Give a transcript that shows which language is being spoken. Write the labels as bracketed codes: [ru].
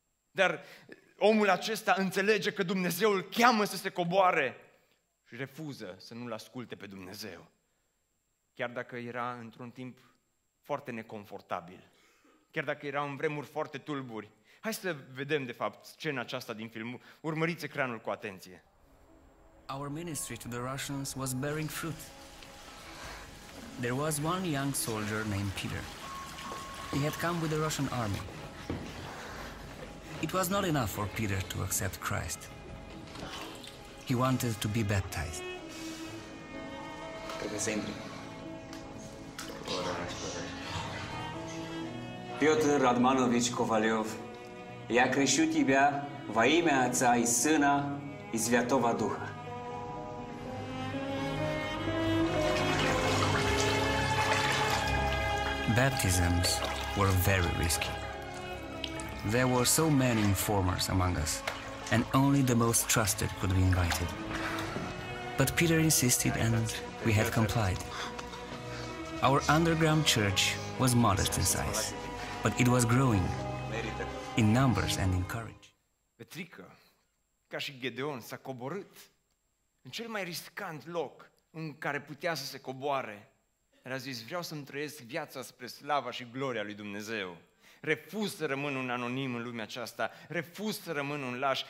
[ro] Dar omul acesta înțelege că Dumnezeu îl cheamă să se coboare și refuză să nu-l asculte pe Dumnezeu. Chiar dacă era într-un timp foarte neconfortabil, chiar dacă era în vremuri foarte tulburi. Hai să vedem, de fapt, scena aceasta din film. Urmăriți ecranul cu atenție. [en] Our ministry to the Russians was bearing fruit. There was one young soldier named Peter. He had come with the Russian army. It was not enough for Peter to accept Christ. He wanted to be baptized. [ru] Piotr Radmanovich Kovalev, я крещу тебя во имя Отца и Сына и Святого Духа. [en] Baptisms were very risky. There were so many informers among us, and only the most trusted could be invited. But Peter insisted, and we had complied. Our underground church was modest in size, but it was growing in numbers and in courage. [ro] Petrica, ca și Gedeon, s-a coborât în cel mai riscant loc în care putea să se coboare. El a zis, vreau să-mi trăiesc viața spre slava și gloria lui Dumnezeu. Refuz să rămân un anonim în lumea aceasta, refuz să rămân un laș.